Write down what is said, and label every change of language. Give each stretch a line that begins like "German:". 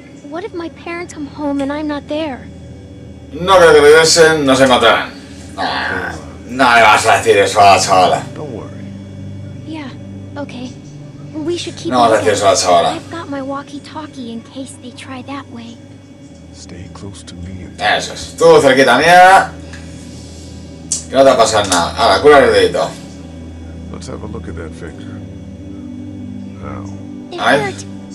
English: What if my parents come home and I'm not there?
Spanish: No creo que regresen, no se encontrarán. No le vas a decir eso a la chavala.
English: Don't worry. Yeah, okay. We should keep.
Spanish: No vas a decir eso a la chavala.
English: I've got my walkie-talkie in case they try that way. Stay close to me.
Spanish: Eso es. Tú cerquita mía. Que no te va a pasar nada. Ahora, cura el dedito.
English: Let's have a look at that finger. Ow. It hurt.